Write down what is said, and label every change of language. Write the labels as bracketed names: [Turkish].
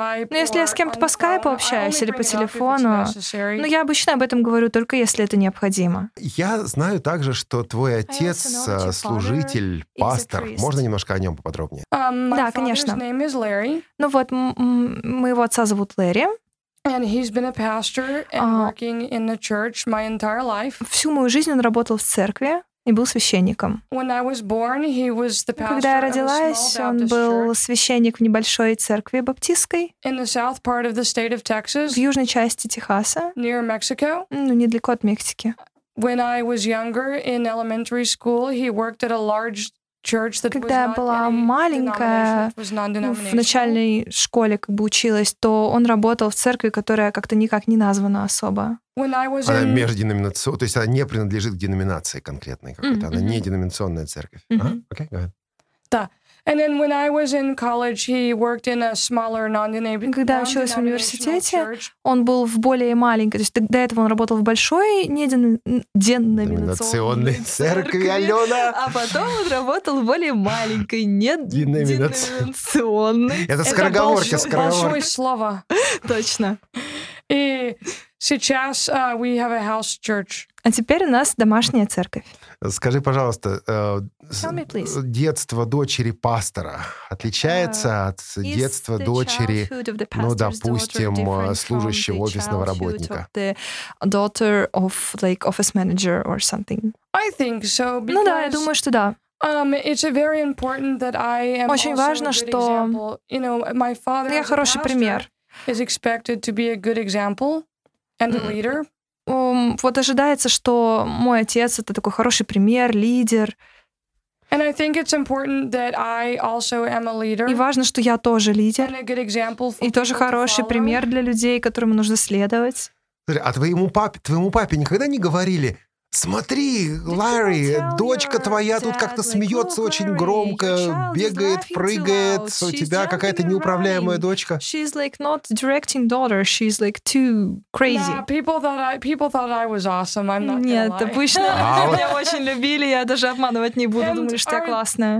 [Russian] Но если я с кем-то по скайпу общаюсь или по телефону, но я обычно об этом говорю только если это необходимо. Я знаю также, что твой отец служитель, пастор. Можно немножко о нем поподробнее? Да, конечно. Ну вот, моего отца зовут Лэри. [English] And he's been a pastor and working in the church my entire life. [Russian] Всю мою жизнь он работал в церкви и был священником. [English] When I was born, he was the pastor. [Russian] Когда я родилась, он был священник в небольшой церкви баптистской. [English] In the south part of the state of Texas. [Russian] В южной части Техаса. [English] Near Mexico. [Russian] Ну, недалеко от Мексики. [English] When I was younger in elementary school, he worked at a large church that [Russian] Когда [English] was [Russian] я была маленькая, в начальной школе как бы училась, то он работал в церкви, которая как-то никак не названа особо. Она межденоминационная, то есть она не принадлежит к деноминации конкретной какой-то, она не деноминационная церковь. [English] Окей, go ahead. [Russian] Да. [English] And then when I was in college, he worked in a smaller non-denominational church. [Russian] Когда я училась в университете, он был в более маленькой, то есть до этого он работал в большой неденоминационной церкви, Алена. А потом он работал в более маленькой неденоминационной. Это скороговорка, большое слово. Точно. И сейчас [English] we have a house church. [Russian] А теперь у нас домашняя церковь. Скажи, пожалуйста, детство дочери пастора отличается от детства дочери, ну, допустим, служащего офисного работника? [English] Daughter of, like, office manager or something. I think so, [Russian] ну да, я думаю, что да. Очень важно, что я хороший пример. Вот ожидается, что мой отец — это такой хороший пример, лидер. [English] And I think it's important that I also am a leader. [Russian] И важно, что я тоже лидер. [English] And a good example for [Russian] и тоже хороший [English] to follow. [Russian] Пример для людей, которым нужно следовать. Смотри, а твоему папе никогда не говорили: смотри, Ларри, дочка твоя тут как-то смеется очень громко, бегает, прыгает, у тебя какая-то неуправляемая дочка. [English] She's like not directing daughter, she's like too crazy. Nah, people thought I was awesome. I'm not gonna lie. [Russian] Нет, обычно меня очень любили, я даже обманывать не буду, думали, что я классная.